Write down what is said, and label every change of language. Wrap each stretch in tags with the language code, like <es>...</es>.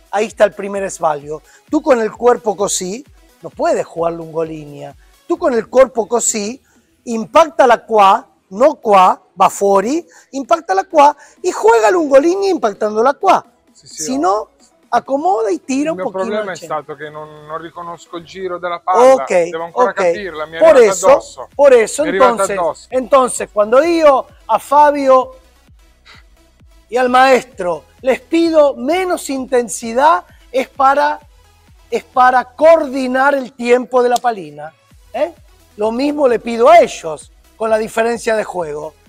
<es>Ahí está el primer esvalio. Tú con el cuerpo cosí, no puedes jugar</es> <it>lungo línea.</it> <es>Tú con el cuerpo cosí, impacta la cuá, no cuá,</es> <it>va fuori,</it> <es>impacta la cuá y juega lungo línea impactando la cuá. Sí, si no, acomoda y tira un pochino.</es> <it>Il mio problema è stato che non riconosco il giro della palla. Okay, devo ancora capirla, mi è arrivata addosso.</it> <es>Por eso, entonces, cuando io a Fabio y al maestro les pido menos intensidad, es para coordinar el tiempo de la palina. ¿Eh? Lo mismo le pido a ellos, con la diferencia de juego.</es>